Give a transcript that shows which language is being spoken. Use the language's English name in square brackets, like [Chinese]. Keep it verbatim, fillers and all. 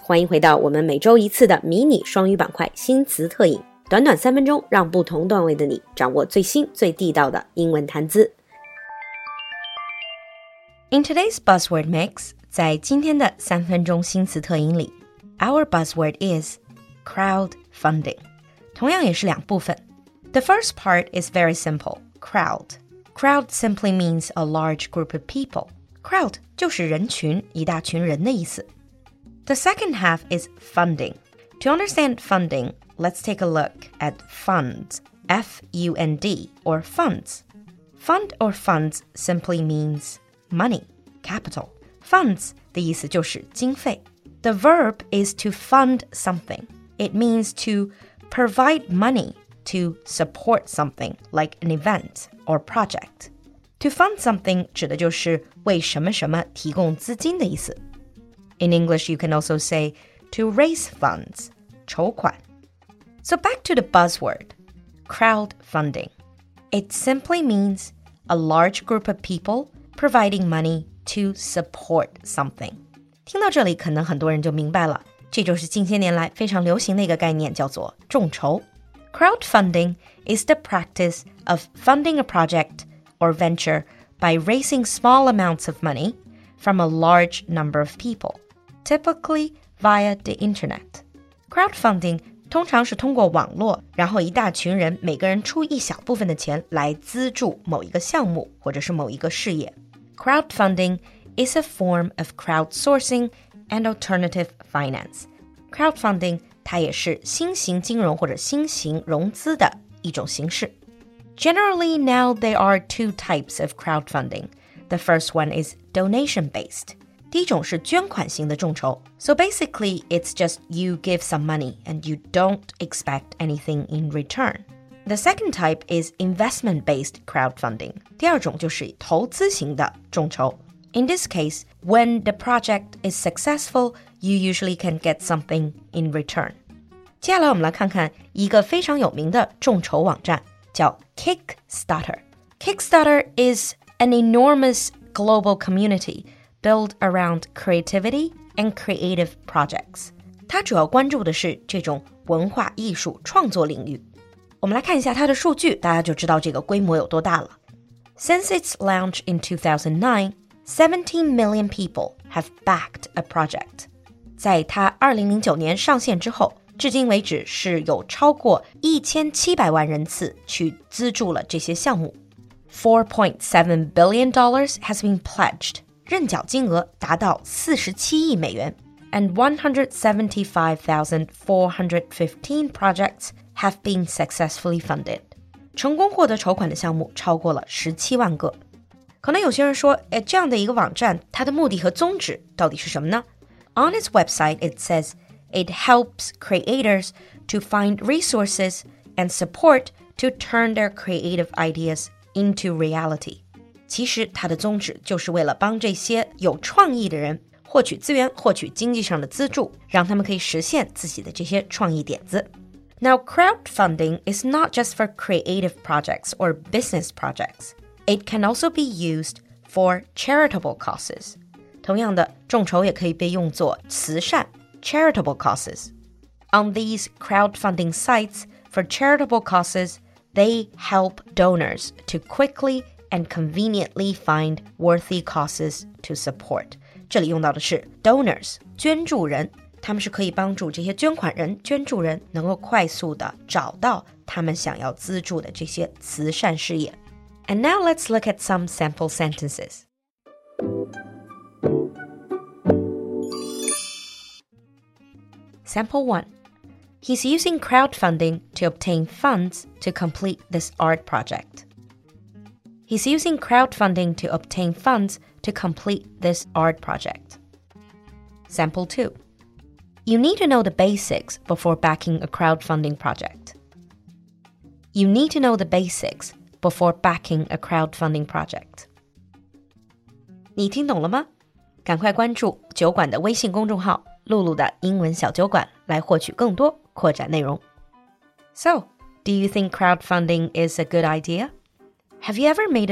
[Chinese] 欢迎回到我们每周一次的迷你双语板块新词特饮。短短三分钟让不同段位的你掌握最新最地道的英文谈资。 [English] In today's Buzzword Mix, [Chinese] 在今天的三分钟新词特饮里 [English] our buzzword is crowdfunding. [Chinese] 同样也是两部分。 [English] The first part is very simple, crowd. Crowd simply means a large group of people. [Chinese] Crowd 就是人群，一大群人的意思。 [English] The second half is funding. To understand funding, let's take a look at funds, F U N D, or funds. Fund or funds simply means money, capital. [Chinese] Funds 的意思就是经费。 [English] The verb is to fund something. It means to provide money to support something, like an event or project. [Chinese] To fund something 指的就是为什么什么提供资金的意思。 [English] In English, you can also say to raise funds, [Chinese] 筹款。 [English] So back to the buzzword, crowdfunding. It simply means a large group of people providing money to support something. [Chinese] 听到这里，可能很多人就明白了，这就是近些年来非常流行的一个概念，叫做众筹。 [English] Crowdfunding is the practice of funding a project. Or venture by raising small amounts of money from a large number of people, typically via the internet. [Chinese] Crowdfunding 通常是通过网络，然后一大群人每个人出一小部分的钱来资助某一个项目或者是某一个事业。 [English] Crowdfunding is a form of crowdsourcing and alternative finance. [Chinese] Crowdfunding 它也是新型金融或者新型融资的一种形式。 [English] Generally, now there are two types of crowdfunding. The first one is donation-based. [Chinese] 第一种是捐款型的众筹。 [English] So basically, it's just you give some money and you don't expect anything in return. The second type is investment-based crowdfunding. [Chinese] 第二种就是投资型的众筹。 [English] In this case, when the project is successful, you usually can get something in return. [Chinese] 接下来我们来看看一个非常有名的众筹网站。叫 Kickstarter. [English] Kickstarter is an enormous global community built around creativity and creative projects. [Chinese] 它主要关注的是这种文化艺术创作领域。我们来看一下它的数据，大家就知道这个规模有多大了。 [English] Since its launch in two thousand nine, seventeen million people have backed a project. [Chinese] 在它2009年上线之后至今为止是有超过 [English] one thousand seven hundred [Chinese] 万人次去资助了这些项目。 [English] four point seven billion dollars has been pledged. [Chinese] 认缴金额达到 [English] forty-seven [Chinese] 亿美元。 [English] And one hundred seventy-five thousand four hundred fifteen projects have been successfully funded. [Chinese] 成功获得筹款的项目超过了 [English] seventeen [Chinese] 万个。可能有些人说，诶，这样的一个网站，它的目的和宗旨到底是什么呢？ [English] On its website, it says,It helps creators to find resources and support to turn their creative ideas into reality. [Chinese] 其实它的宗旨就是为了帮这些有创意的人获取资源，获取经济上的资助，让他们可以实现自己的这些创意点子。 [English] Now, crowdfunding is not just for creative projects or business projects. It can also be used for charitable causes. [Chinese] 同样的，众筹也可以被用作慈善 [English] charitable causes. On these crowdfunding sites for charitable causes, they help donors to quickly and conveniently find worthy causes to support. [Chinese] 这里用到的是 donors, 捐助人，他们是可以帮助这些捐款人、捐助人能够快速地找到他们想要资助的这些慈善事业。 [English] And now let's look at some sample sentences. Sample one. He's using crowdfunding to obtain funds to complete this art project. He's using crowdfunding to obtain funds to complete this art project. Sample two. You need to know the basics before backing a crowdfunding project. You need to know the basics before backing a crowdfunding project. [Chinese] 你听懂了吗？赶快关注酒馆的微信公众号露露的英文小酒馆来获取更多扩展内容。 [English] So, do you think crowdfunding is a good idea? Have you ever made a donation on any of the crowdfunding sites?